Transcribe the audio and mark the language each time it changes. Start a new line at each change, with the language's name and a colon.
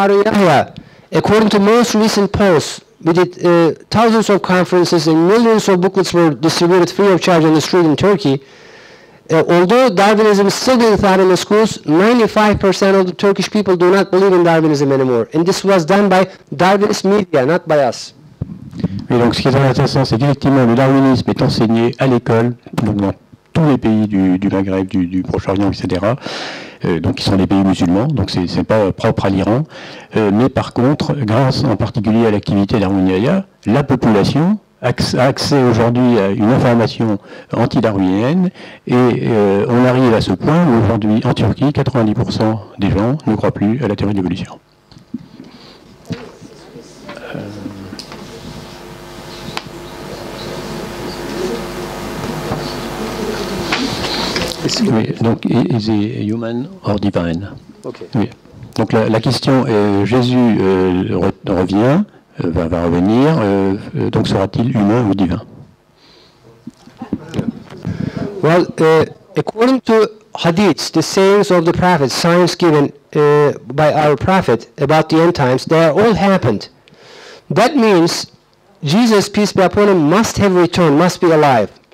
English: Haro Yahya, according to most recent polls, we did thousands of conferences and millions of booklets were distributed free of charge on the street in Turkey. Although Darwinism is still being taught in the schools, 95% of the Turkish people do not believe in Darwinism anymore. And this was done by Darwinist media, not by us.
French: Oui, donc ce qui est intéressant, c'est qu'effectivement, le darwinisme est enseigné à l'école, dans tous les pays du Maghreb, du Proche-Orient, etc. Donc qui sont les pays musulmans, donc c'est pas propre à l'Iran. Mais par contre, grâce en particulier à l'activité d'Arminiaya, la population a accès aujourd'hui à une information anti-darwinienne et on arrive à ce point où aujourd'hui en Turquie, 90% des gens ne croient plus à la théorie de l'évolution. Oui, donc,
English: is he human or divine? Okay.
French: Oui. Donc la question est, Jésus revient, va revenir, donc sera-t-il humain ou divin?
English: Well, according to hadiths, the sayings of the prophets, signs given by our prophet about the end times, they are all happened. That means Jesus, peace be upon him, must have returned, must be alive.